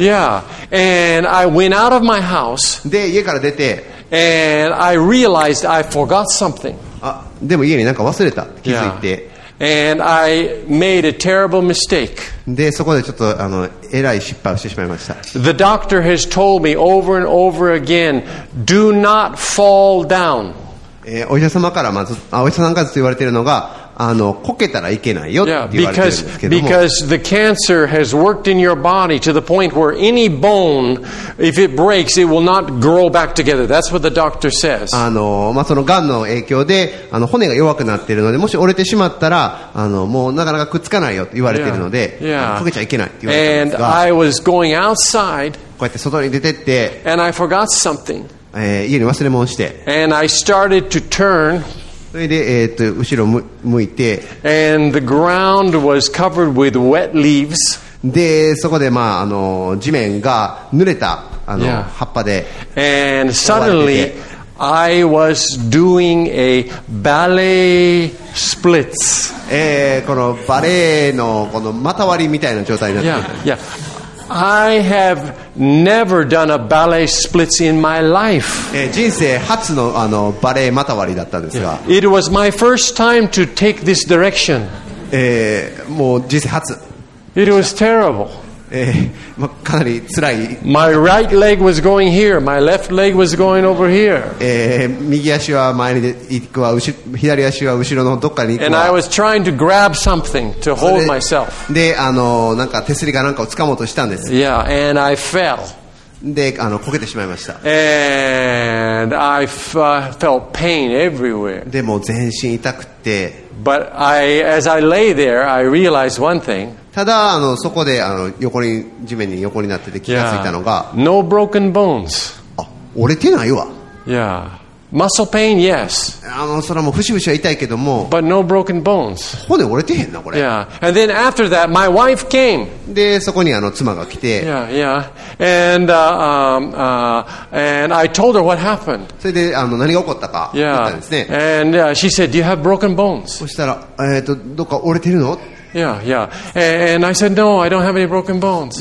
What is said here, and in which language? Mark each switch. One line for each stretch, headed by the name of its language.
English: Yeah. And I went out of my house.
Japanese: で、家から出て。
English: And I realized I forgot something.
Japanese: あ、でも家になんか忘れた。気づいて。
English: Yeah. And I made a terrible mistake.
Japanese: で、そこでちょっとえらい失敗をしてしまいました。
English: The doctor has told me over and over again, do not fall down.
Japanese: お医者様からお医者さんからずっと言われているのが、こけたらいけないよって言われてるんですけども。
English: Yeah, because the cancer has worked in your body to the point where any bone, if it breaks, it will not grow back together. That's what the doctor says.
Japanese: そのがんの影響で骨が弱くなっているので、もし折れてしまったらもうなかなかくっつかないよって言われているので、こけちゃいけないって言われてるんですが。
English: And I was going outside.
Japanese: こうやって外に出てって。
English: And I forgot something.
Japanese: 家に忘れ物して。
English: And I started to turn.
Japanese: それで後ろ向いて、
English: and the ground was covered with wet leaves.
Japanese: でそこで地面が濡れた葉っぱで、
English: and suddenly I was doing a ballet splits.
Japanese: このバレエのこの股割りみたいな状態になって、
English: I have never done a ballet splits in my life.
Japanese: 人生初のバレエ股割りだったんですが。
English: It was my first time to take this direction.
Japanese: もう人生初。
English: It was terrible.
Japanese: かなり辛い。
English: My right leg was going here. My left leg was going over here.
Japanese: 右足は前に行くわ、左足は後ろのどっかに行くわ。
English: And I was trying to grab something to hold myself.
Japanese: で、なんか手すりかなんかを掴もうとしたんです。
English: Yeah, and I fell.
Japanese: で、こけてしまいました。
English: And I felt pain everywhere.
Japanese: でも全身痛くて。
English: But as I lay there, I realized one thing.
Japanese: ただそこで地面に横になってて気がついたのが、
English: yeah. No broken bones.
Japanese: あ、折れてないわ。
English: Yeah. Muscle pain, yes.
Japanese: それはもう節々は痛いけども。
English: But no broken bones.
Japanese: 骨折れてへんな、これ。
English: Yeah. And then after that, my wife came.
Japanese: で、そこに妻が来て。
English: Yeah, yeah. And, and I told her what happened.
Japanese: それで何が起こったか言ったんですね。
English: Yeah. And she said, do you have broken bones?
Japanese: そしたら、どっか折れてるの？
English: Yeah, yeah. And I said, no, I don't have any broken bones.